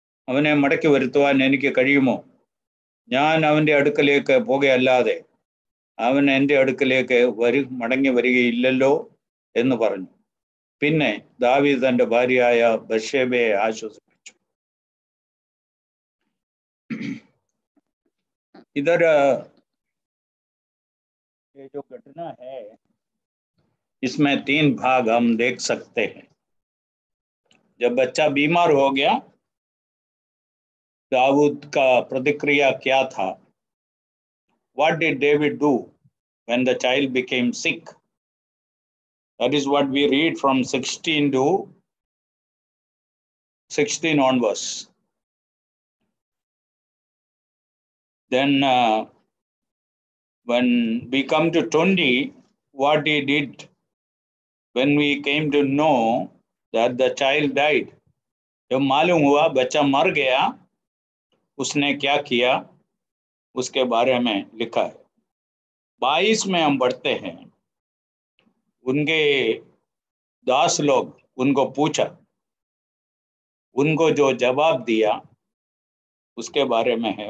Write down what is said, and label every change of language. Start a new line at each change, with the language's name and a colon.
Malayalam: അവനെ മടക്കി വരുത്തുവാൻ എനിക്ക് കഴിയുമോ? ഞാൻ അവൻ്റെ അടുക്കലേക്ക് പോകുകയല്ലാതെ അവൻ എൻ്റെ അടുക്കലേക്ക് മടങ്ങി വരികയില്ലല്ലോ എന്ന് പറഞ്ഞു. പിന്നെ ദാവീദ് തൻ്റെ ഭാര്യയായ ബത്ഷേബയെ ആശ്വസിപ്പിച്ചു. ഇതൊരു ഘടന
Hindi: इसमें तीन भाग हम देख सकते हैं. जब बच्चा बीमार हो गया, दाऊद का प्रतिक्रिया क्या था?
English: What did David do when the child became sick? That is what we read from 16 onwards. Then when we come to 20, what he did when we came to know that the child died.
Hindi: जब मालूम हुआ बच्चा मर गया, उसने क्या किया उसके बारे में लिखा है. 22 में हम बढ़ते हैं. उनके दास लोग उनको पूछा, उनको जो जवाब दिया उसके बारे में है.